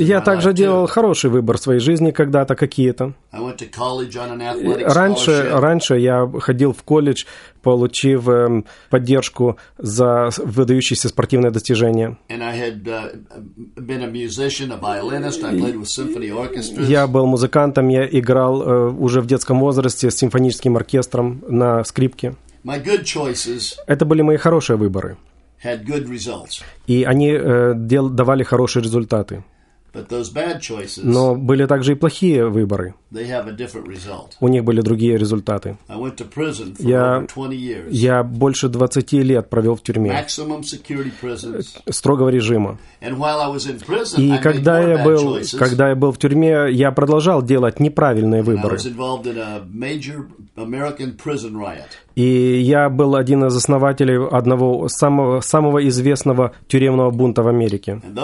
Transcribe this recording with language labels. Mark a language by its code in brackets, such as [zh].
[ru] Я также делал хороший выбор в своей жизни когда-то какие-то. [en] I went to college on an athletic scholarship. [ru] Раньше я ходил в колледж, получив поддержку за выдающиеся спортивные достижения. [en] And I had been a musician, a violinist. I played with symphony orchestras. [ru] Я был музыкантом, я играл уже в детском возрасте с симфоническим оркестром на скрипке. [en] My good choices. [ru] Это были мои хорошие выборы. [en] Had good results. [ru] И они давали хорошие результаты. [en] But those bad choices. [ru] Но были также и плохие выборы. [en] They have a different result. [ru] У них были другие результаты. [en] I went to prison for over 20 years. [ru] Я больше 20 лет провел в тюрьме. [en] Maximum security prisons. [ru] Строгого режима. [en] And while I was in prison, [ru] и когда [en] I made more [ru] был, [en] bad choices. [ru] Когда я был в тюрьме, я продолжал делать неправильные выборы. [en] And I was involved in a major American prison riot. [ru] И я был один из основателей одного самого известного тюремного бунта в Америке.